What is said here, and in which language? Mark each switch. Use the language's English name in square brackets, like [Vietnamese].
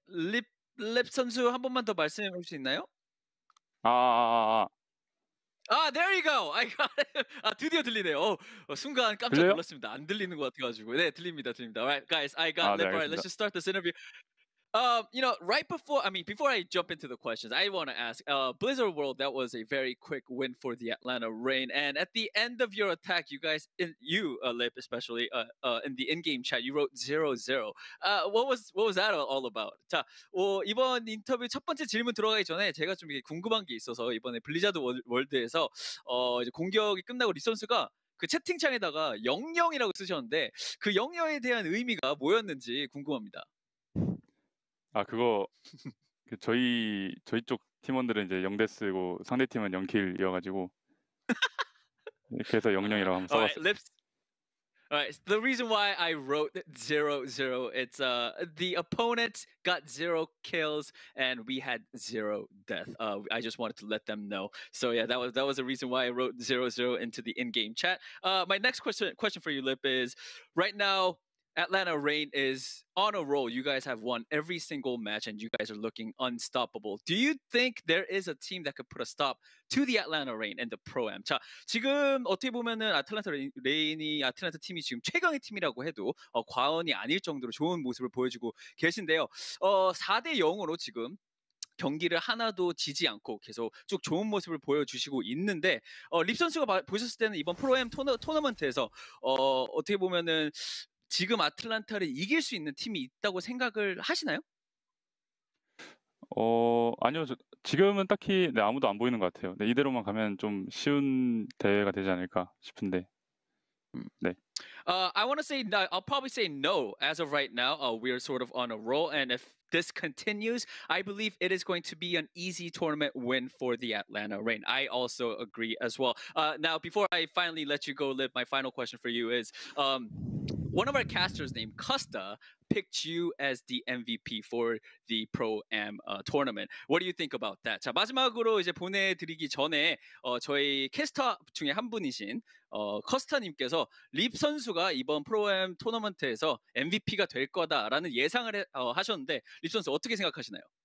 [Korean] Lip 선수 한 번만 더 말씀해 볼 수 있나요? 아, [English] there you go. I got it. [Korean] 아, 드디어 들리네요. 순간 깜짝 들려요? 놀랐습니다. 안 들리는 것 같아가지고. 네, 들립니다. [English] All right, guys, I got Lip. [Korean] 네, [English] all right, let's just start this interview. Before I jump into the questions, I want to ask, Blizzard World, that was a very quick win for the Atlanta Reign. And at the end of your attack, you, Lip, especially, in the in-game chat, you wrote 0-0. What was that all about? [Korean] 자, 이번 인터뷰 첫 번째 질문 들어가기 전에 제가 좀 궁금한 게 있어서 이번에 블리자드 월드에서 이제 공격이 끝나고 리선스가 그 채팅창에다가 00이라고 쓰셨는데 그 00에 대한 의미가 뭐였는지 궁금합니다. 아 그거 그 저희 쪽 팀원들은 이제 0대 쓰고 상대 팀은 0킬 이어가지고 그래서 00이라고 한번 써봤어요. [English] Alright, the reason why I wrote 0-0, it's the opponent got 0 kills and we had 0 death. I just wanted to let them know. So yeah, that was the reason why I wrote 0-0 into the in-game chat. My next question for you, Lip, is right now Atlanta Reign is on a roll. You guys have won every single match and you guys are looking unstoppable. Do you think there is a team that could put a stop to the Atlanta Reign and the Pro-Am? [Korean] 자, 지금 어떻게 보면은 아틀란타 레인이 아틀란타 팀이 지금 최강의 팀이라고 해도 과언이 아닐 정도로 좋은 모습을 보여주고 계신데요. 4대 0으로 지금 경기를 하나도 지지 않고 계속 쭉 좋은 모습을 보여주시고 있는데 립 선수가 보셨을 때는 이번 프로엠 토너먼트에서 어떻게 보면은 지금 아틀란타를 이길 수 있는 팀이 있다고 생각을 하시나요? 아니요. 지금은 딱히 아무도 안 보이는 것 같아요. 이대로만 가면 좀 쉬운 대회가 되지 않을까 싶은데. 네. [English] I want to say that I'll probably say no as of right now. We are sort of on a roll, and if this continues, I believe it is going to be an easy tournament win for the Atlanta Reign. I also agree as well. Now, before I finally let you go, Liv, my final question for you is, one of our casters named Custa picked you as the MVP for the Pro-Am tournament. What do you think about that? [Korean] 자, 마지막으로 이제 보내드리기 전에 저희 캐스터 중에 한 분이신 커스터님께서 립 선수가 이번 Pro-Am 토너먼트에서 MVP가 될 거다라는 예상을 하셨는데 립 선수 어떻게 생각하시나요?